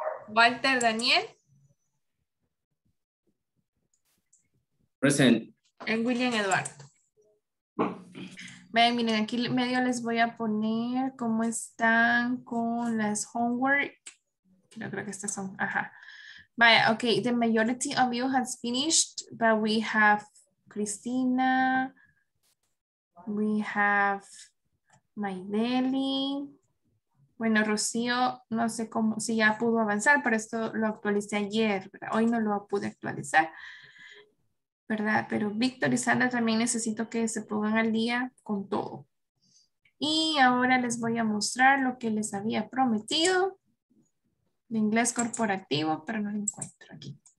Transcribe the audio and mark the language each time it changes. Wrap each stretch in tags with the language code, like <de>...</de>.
<en>Walter Daniel. Present. And William Eduardo.</en> <es>Miren, miren, aquí medio les voy a poner cómo están con las homework. Yo creo que estas son, ajá.</es> <en>Vaya, ok, the majority of you has finished, but we have Cristina, we have Maideli.</en> <es>Bueno, Rocío, no sé cómo, si ya pudo avanzar, pero esto lo actualicé ayer, ¿verdad? Hoy no lo pude actualizar, ¿verdad? Pero Víctor y Sandra también necesito que se pongan al día con todo. Y ahora les voy a mostrar lo que les había prometido de inglés corporativo, pero no lo encuentro aquí.</es>